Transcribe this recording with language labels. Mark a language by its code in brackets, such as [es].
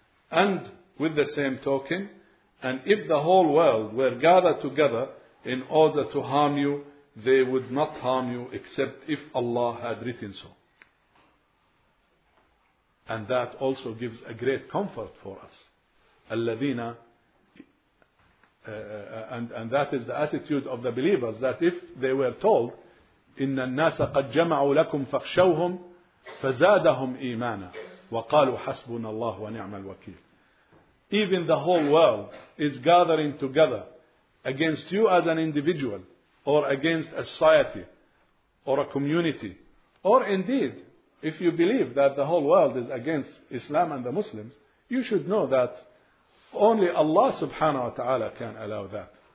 [en] And with the same token, and if the whole world were gathered together in order to harm you, they would not harm you except if Allah had written so. And that also gives a great comfort for us. [ar] الَّذِينَ [en] and that is the attitude of the believers, that if they were told, [ar] إِنَّ النَّاسَ قَدْ جَمَعُوا لَكُمْ فَخْشَوْهُمْ فَزَادَهُمْ إِيمَانًا وَقَالُوا حَسْبُنَا اللَّهُ وَنِعْمَ الْوَكِيلِ. [en] Even the whole world is gathering together against you as an individual, or against a society, or a community, or indeed, if you believe that the whole world is against Islam and the Muslims, you should know that only Allah subhanahu wa ta'ala can allow that.